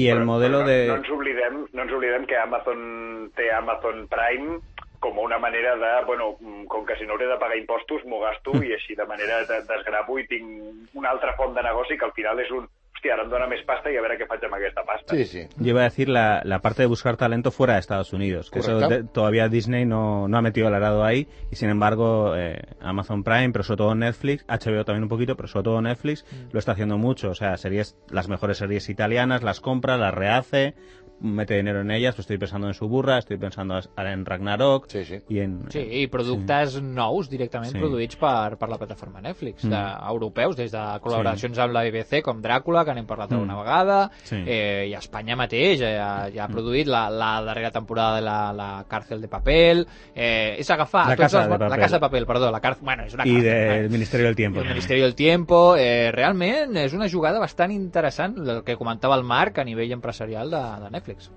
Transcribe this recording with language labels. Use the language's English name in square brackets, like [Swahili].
[Catalan] I el modelo de... No ens oblidem que Amazon té Amazon Prime com una manera de, bueno, com que si no hauré de pagar impostos, m'ho gasto i així de manera desgravo i tinc una altra font de negoci que al final és un... Hòstia, ara em dóna més pasta i a veure què faig amb aquesta pasta. Sí, sí. [Spanish] Yo iba a decir la parte de buscar talento fuera de Estados Unidos. Que [Catalan] correcte. [Spanish] Eso todavía Disney no ha metido el arado ahí. Y sin embargo, Amazon Prime, pero sobre todo Netflix, HBO también un poquito, pero sobre todo Netflix, lo está haciendo mucho. O sea, series, las mejores series italianas, las compra, las rehace, mete dinero en ellas. Pues estoy pensando en Suburra, estoy pensando en Ragnarok. Sí, sí. Y en, sí, y productos sí. nuevos directamente sí. producidos por la plataforma Netflix. Mm. Europeos, desde colaboraciones sí. con la BBC, como Drácula, [Catalan] que han parlat alguna vegada, [Spanish] sí. [Catalan] I a Espanya mateix ja ha produït la darrera temporada de la Càrcel de Papel, és agafar... La Casa de Papel, perdó, la Càrcel... Bueno, és una càrcel. I del Ministeri del Tiempo. El Ministeri del Tiempo, realment és una jugada bastant interessant, el que comentava el Marc a nivell empresarial de Netflix.